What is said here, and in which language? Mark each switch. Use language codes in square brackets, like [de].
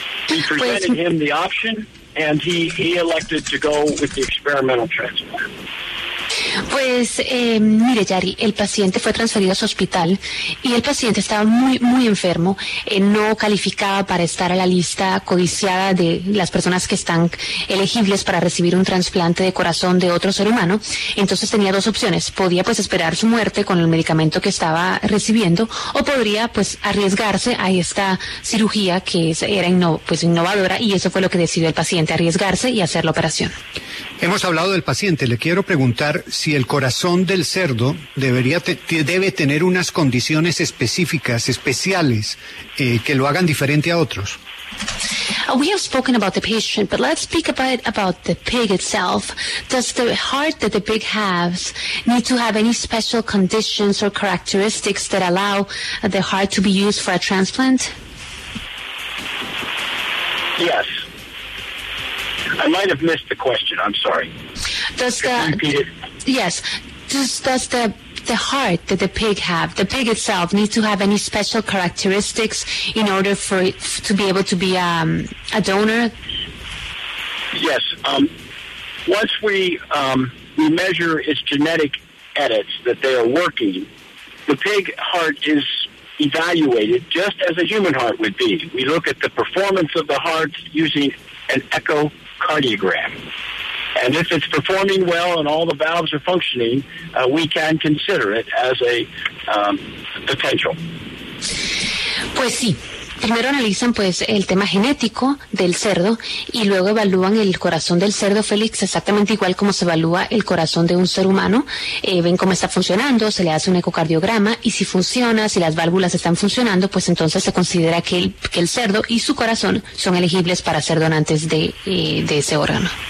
[en] We presented him the option, and he elected to go with the experimental transplant. [es] Pues, mire, Yari, el paciente fue transferido a su hospital y el paciente estaba muy, muy enfermo, no calificaba para estar a la lista codiciada de las personas que están elegibles para recibir un trasplante de corazón de otro ser humano. Entonces tenía dos opciones, podía pues esperar su muerte con el medicamento que estaba recibiendo o podría pues arriesgarse a esta cirugía que era innovadora y eso fue lo que decidió el paciente, arriesgarse y hacer la operación. Hemos hablado del paciente, le quiero preguntar si el corazón del cerdo debe tener unas condiciones específicas, especiales, que lo hagan diferente a otros. [en] We have spoken about the patient, but let's speak about the pig itself. Does the heart that the pig has need to have any special conditions or characteristics that allow the heart to be used for a transplant? Yes. I might have missed the question. I'm sorry. Does the heart that the pig have, the pig itself, need to have any special characteristics in order for it to be able to be a donor? Yes. Once we measure its genetic edits that they are working, the pig heart is evaluated just as a human heart would be. We look at the performance of the heart using an echocardiogram. And if it's performing well and all the valves are functioning, we can consider it as a potential. [es] Pues sí. Primero analizan pues el tema genético del cerdo y luego evalúan el corazón del cerdo, Félix, exactamente igual como se evalúa el corazón de un ser humano. Ven cómo está funcionando, se le hace un ecocardiograma y si funciona, si las válvulas están funcionando, pues entonces se considera que el cerdo y su corazón son elegibles para ser donantes de ese órgano.